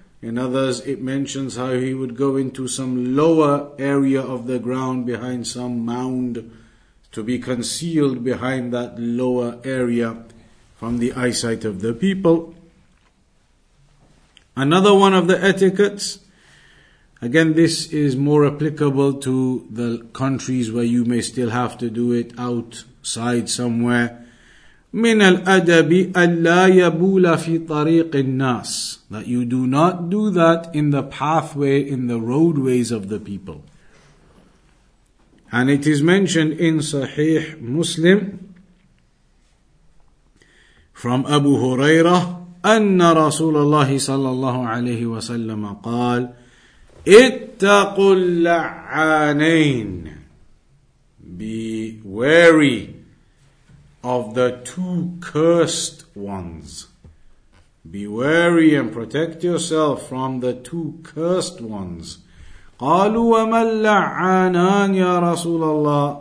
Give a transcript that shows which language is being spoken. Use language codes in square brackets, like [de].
[en] In others it mentions how he would go into some lower area of the ground behind some mound to be concealed behind that lower area from the eyesight of the people. Another one of the etiquettes, again this is more applicable to the countries where you may still have to do it outside somewhere. [ar] من الأدب ألا يبول في طريق الناس. [en] That you do not do that in the pathway, in the roadways of the people. And it is mentioned in Sahih Muslim from Abu Huraira, [ar] أن رسول الله صلى الله عليه وسلم قال اتقوا اللعانين. [en] Be wary of the two cursed ones. Be wary and protect yourself from the two cursed ones. [ar] قالوا وما اللعانان يا رسول الله.